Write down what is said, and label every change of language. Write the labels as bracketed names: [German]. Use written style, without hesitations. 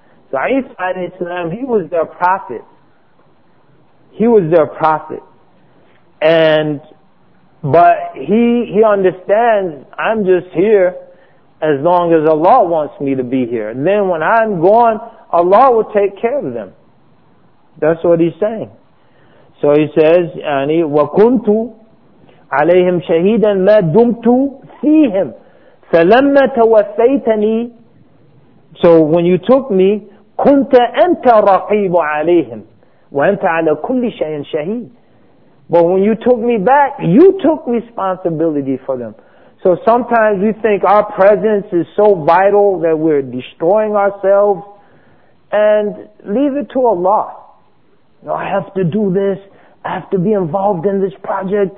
[English] So Isa alayhi salam, he was their prophet. He was their prophet. But he understands, I'm just here as long as Allah wants me to be here. And then when I'm gone, Allah will take care of them. That's what he's saying. So he says, [Arabic] وَكُنْتُ عَلَيْهِمْ شَهِيدًا مَا دُمْتُ فِيهِمْ فَلَمَّا تَوَفَّيْتَنِي. [English] So when you took me, [Arabic] كنت أنت رقيب عليهم وأنت على كل شيء شهيد. [English] But when you took me back, you took responsibility for them. So sometimes we think our presence is so vital that we're destroying ourselves, and leave it to Allah. No, I have to do this. I have to be involved in this project.